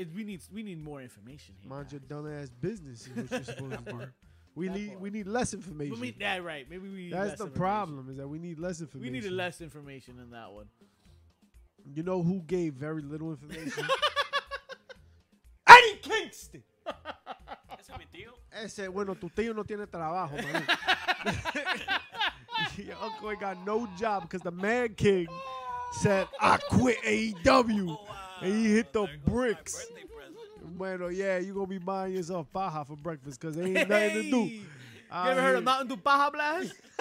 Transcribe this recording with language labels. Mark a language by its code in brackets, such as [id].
[en] We need more information here. Mind your dumb ass business is what you're supposed to learn. We need less information. Maybe we need that's less the problem is that we need less information. We needed less information than that one. You know who gave very little information? Eddie Kingston. [es] Ese es mi tío. Ese bueno, tu tío no tiene trabajo, man. [en] Your uncle ain't got no job because the Mad King said I quit AEW and he hit the bricks. Bueno, yeah, you're going to be buying yourself paja for breakfast because there ain't nothing to do. You ever heard of Mountain Dew Paja Blast?